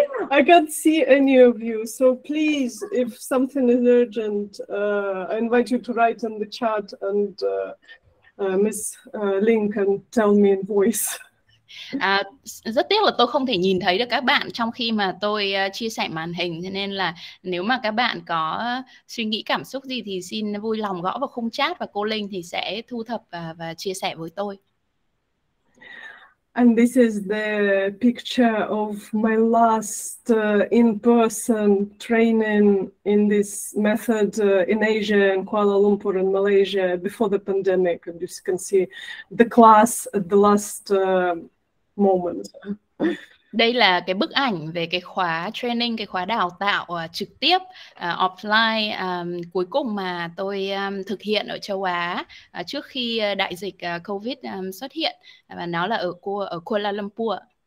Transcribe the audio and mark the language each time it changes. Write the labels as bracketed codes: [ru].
[en] I can't see any of you, so please, if something is urgent, I invite you to write in the chat and Miss Linh can tell me in voice. [vi] Rất tiếc là tôi không thể nhìn thấy được các bạn trong khi mà tôi chia sẻ màn hình, nên là nếu mà các bạn có suy nghĩ cảm xúc gì thì xin vui lòng gõ vào khung chat và cô Linh thì sẽ thu thập và chia sẻ với tôi. [en] And this is the picture of my last in-person training in this method in Asia, in Kuala Lumpur and Malaysia before the pandemic. And you can see the class at the last moment. [vi] Đây là cái bức ảnh về cái khóa training, cái khóa đào tạo trực tiếp offline cuối cùng mà tôi thực hiện ở châu Á trước khi đại dịch COVID xuất hiện, và nó là ở Kuala Lumpur.